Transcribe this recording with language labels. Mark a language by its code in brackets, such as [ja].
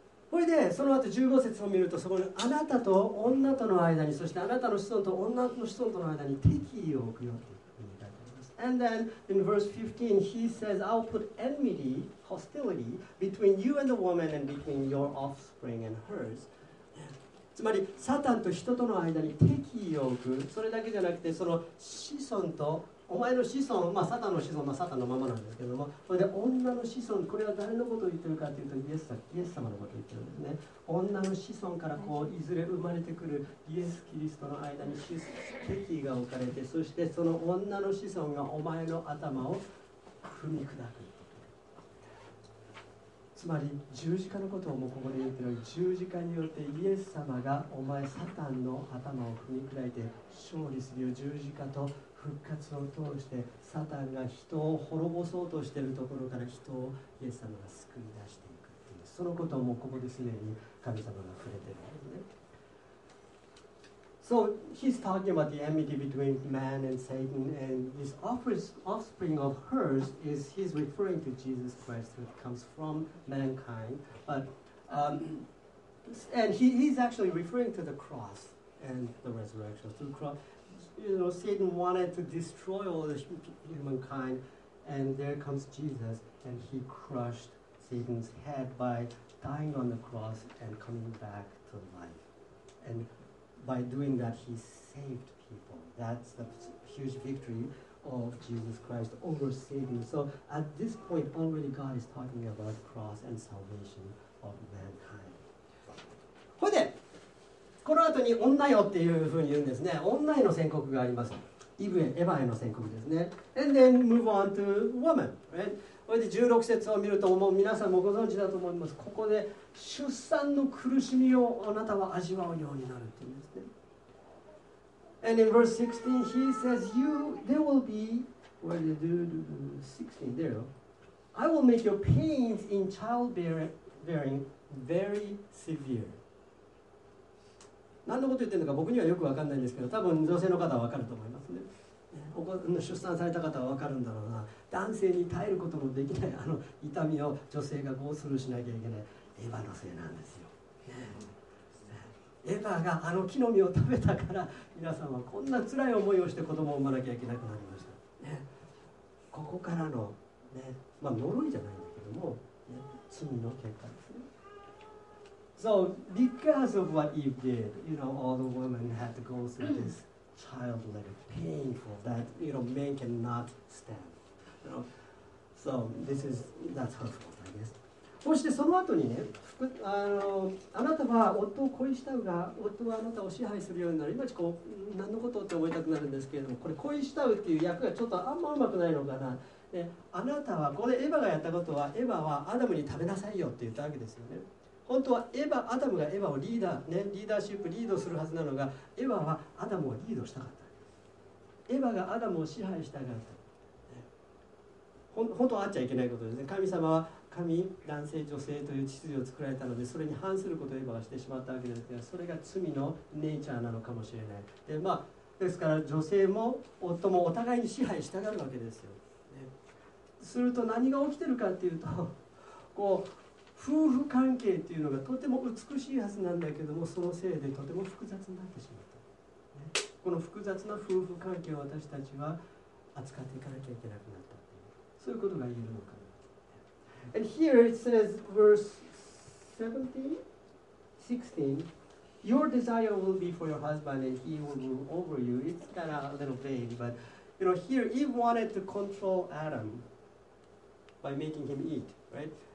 [ja] これでその後15節を見ると、そこにあなたと女との間に、そしてあなたの子孫と女の子孫との間に敵意を置くよと。 [en] And then in verse 15, he says, I'll put enmity, hostility, between you and the woman and between your offspring and hers. [ja] つまり、サタンと人との間に敵意を置く。それだけじゃなくて、その子孫と、お前の子孫、まあ、サタンの子孫、まあ、サタンのままなんですけども、それで女の子孫、これは誰のことを言ってるかというと、イエス様のことを言ってるんですね。女の子孫からこういずれ生まれてくるイエス・キリストの間に敵意が置かれて、そしてその女の子孫がお前の頭を踏み砕く。つまり十字架のことをもうここで言ってるように、十字架によってイエス様がお前サタンの頭を踏み砕いて勝利するよ。十字架と復活を通してサタンが人を滅ぼそうとしているところから人をイエス様が救い出していくっていう、そのことをもうここですでに神様が触れてるんですね。 [en] So he's talking about the enmity between man and Satan, and this offspring of hers is he's referring to Jesus Christ who comes from mankind, but and he's actually referring to the cross and the resurrection through cross. You know, Satan wanted to destroy all the humankind, and there comes Jesus, and he crushed Satan's head by dying on the cross and coming back to life. And by doing that, he saved people. That's the huge victory of Jesus Christ over Satan. So at this point, already God is talking about the cross and salvation of mankind. Hold it! [ja] この後に女よっていうふうに言うんですね。女への宣告があります。イブへ、エヴァへの宣告ですね。 [en] And then move on to woman, right? [ja] これで16節を見ると、もう皆さんもご存知だと思います。ここで出産の苦しみをあなたは味わうようになるっていうんですね。 [en] And in verse 16, he says, I will make your pains in childbearing very severe. [ja] 何のこと言ってるのか僕にはよく分かんないんですけど、多分女性の方は分かると思いますね。出産された方は分かるんだろうな。男性に耐えることもできないあの痛みを女性がゴースルーしなきゃいけない、エヴァのせいなんですよ。エヴァがあの木の実を食べたから皆さんはこんな辛い思いをして子供を産まなきゃいけなくなりました、ね、ここからの、ね、まあ、呪いじゃないんだけども、ね、罪の結果ですね。 [en] So because of what Eve did, you know, all the women had to go through this childbearing, painful, that, you know, men cannot stand. You know? So this is, that's her fault, I guess. [ja] そしてその後にね、あなたは夫を恋したうが、夫はあなたを支配するようになる。今ちょっと何のことって思いたくなるんですけれども、これ恋したうっていう訳がちょっとあんまうまくないのかな。で、あなたは、ここでエヴァがやったことは、エヴァはアダムに食べなさいよって言ったわけですよね。本当はアダムがエヴァをリーダー、ね、リーダーシップリードするはずなのが、エヴァはアダムをリードしたかった。エヴァがアダムを支配したかった。本当はあっちゃいけないことですね。神様は神、男性、女性という秩序を作られたので、それに反することをエヴァはしてしまったわけですが、それが罪のネイチャーなのかもしれない。で、まあ、ですから女性も夫もお互いに支配したがるわけですよ。ね、すると何が起きてるかっていうと、こう、夫婦関係っていうのがとても美しいはずなんだけども、そのせいでとても複雑になってしまった、ね、この複雑な夫婦関係を私たちは扱っていかなきゃいけなくなったっていう、そういうことが言えるのかな。 [en] And here it says verse 17, 16, Your desire will be for your husband and he will rule over you. It's kind of a little vague, but you know, here Eve wanted to control Adam by making him eat, right?